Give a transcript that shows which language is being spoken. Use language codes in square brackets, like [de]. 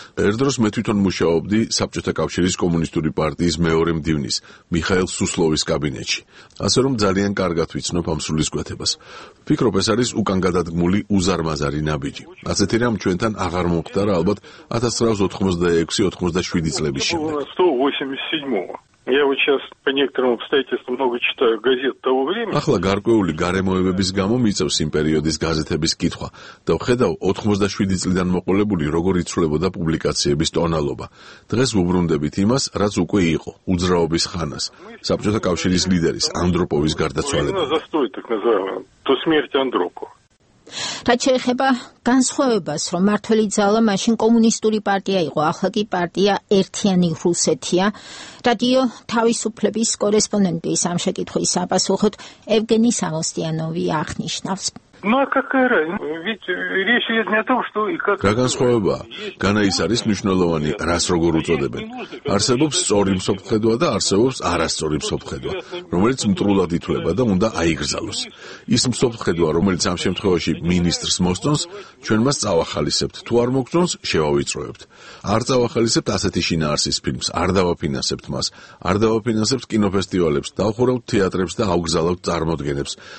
[ka] ერთდროს მე თვითონ მუშაობდი საბჭოთა კავშირის კომუნისტური პარტიის მეორე მდივნის, მიხაილ სუსლოვის კაბინეტში. ასე რომ ძალიან კარგად ვიცნობ ამ სულისკვეთებას. ფიქრობ, ეს არის უკან გადადგმული უზარმაზარი ნაბიჯი. ასეთი რამ ჩვენთან აღარ მომხდარა ალბათ 1986-87 წლების შემდეგ. 187-ო. [ru] Я вот сейчас по некоторым обстоятельствам много читаю газет того времени. [ka] Ахла გარკვეული გარემოებების გამო მიწევს იმ პერიოდის გაზეთების კითხვა და ვხედავ 87 წლიდან მოყოლებული როგორ იცვლებოდა პუბლიკაციების ტონალობა. დღეს ვუბრუნდებით იმას, რაც უკვე იყო უძრაობის ხანას, საბჭოთა კავშირის ლიდერის ანდროპოვის გარდაცვალებას. [ru] То смерть Андропова. [ka] რაც შეეხება განსხვავებას, რომ მართველი ძალა მაშინ კომუნისტური პარტია იყო, ახლა კი პარტია ერთიანი რუსეთია. რადიო თავისუფლების კორესპონდენტი ამ შეკითხვის საპასუხოდ ევგენი სამოსტიანოვი აღნიშნავს. [ru] Ну а какая разница? Ведь речь идёт не о том, что и как Гана [ka] ის არის მნიშვნელოვანი, რას როგორ უწოდებენ. არსებობს სწორი მსოფლმხედვა და არსებობს არასწორი მსოფლმხედვა, რომელიც მტრულად ითვლება და უნდა აიგრძალოს. ის მსოფლმხედვა, რომელიც ამ შემთხვევაში მინისტრს მოსწონს, ჩვენ მას წავახალისებთ. თუ არ მოგწონს, შევავიწროებთ. არ წავახალისებთ ასეთი შინაარსის ფილმს, არ დავაფინანსებთ მას, არ დავაფინანსებთ კინოფესტივალებს, დავხურავთ თეატრებს და ავგზავნოთ წარმოდგენებს.